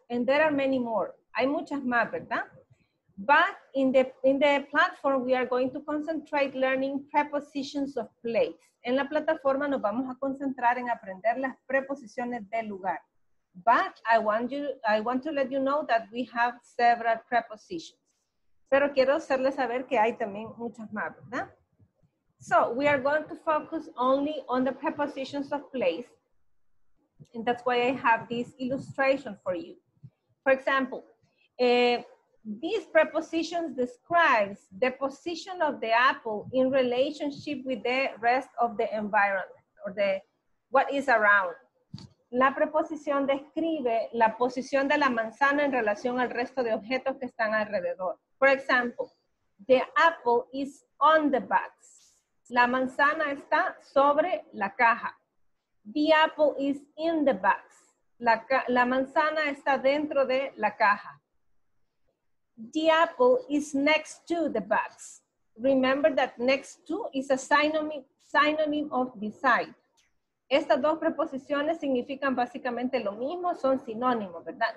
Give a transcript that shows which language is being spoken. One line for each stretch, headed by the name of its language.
English: And there are many more.
Spanish: Hay muchas más, ¿verdad?
English: But in the platform, we are going to concentrate learning prepositions of place.
Spanish: En la plataforma nos vamos a concentrar en aprender las preposiciones de lugar.
English: But I want to let you know that we have several prepositions.
Spanish: Pero quiero hacerles saber que hay también muchas más, ¿verdad?
English: So we are going to focus only on the prepositions of place. And that's why I have this illustration for you. For example, these prepositions describes the position of the apple in relationship with the rest of the environment or the what is around.
Spanish: La preposición describe la posición de la manzana en relación al resto de objetos que están alrededor.
English: For example, the apple is on the box.
Spanish: La manzana está sobre la caja.
English: The apple is in the box.
Spanish: La manzana está dentro de la caja.
English: The apple is next to the box. Remember that next to is a synonym of beside.
Spanish: Estas dos preposiciones significan básicamente lo mismo, son sinónimos, ¿verdad?